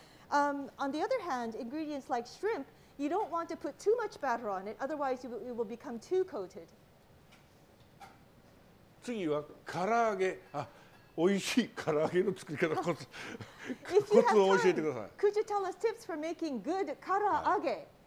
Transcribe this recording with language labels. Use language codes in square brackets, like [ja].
[en] On the other hand, ingredients like shrimp, you don't want to put too much batter on it, otherwise it will become too coated. [ja] 次は唐揚げ。あ、美味しい唐揚げの作り方コツ。コツを教えてください。 [en] If you have time, could you tell us tips for making good 唐揚げ？